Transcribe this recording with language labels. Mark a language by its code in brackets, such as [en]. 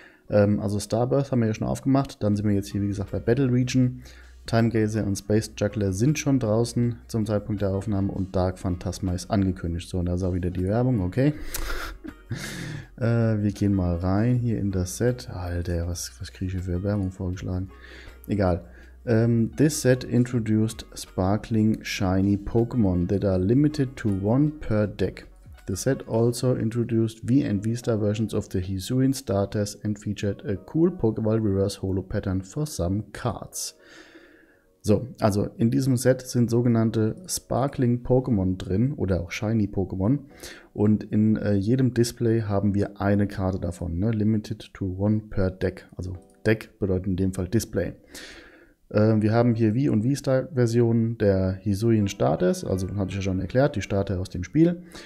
[de] Also Starburst haben wir ja schon aufgemacht, dann sind wir jetzt hier wie gesagt bei Battle Region. Time Gazer und Space Juggler sind schon draußen zum Zeitpunkt der Aufnahme und Dark Phantasma ist angekündigt. So, und da ist auch wieder die Werbung, okay. wir gehen mal rein hier in das Set. Alter, was kriege ich hier für Werbung vorgeschlagen? Egal. [en] This set introduced sparkling shiny Pokémon that are limited to one per deck. The set also introduced V and V-Star versions of the Hisuian starters and featured a cool Pokéball Reverse Holo Pattern for some cards. [de] So, also in diesem Set sind sogenannte Sparkling Pokémon drin oder auch Shiny Pokémon und in jedem Display haben wir eine Karte davon, ne? Limited to one per Deck. Also Deck bedeutet in dem Fall Display. Wir haben hier V und V-Star Versionen der Hisuian Starters, also hatte ich ja schon erklärt, die Starter aus dem Spiel.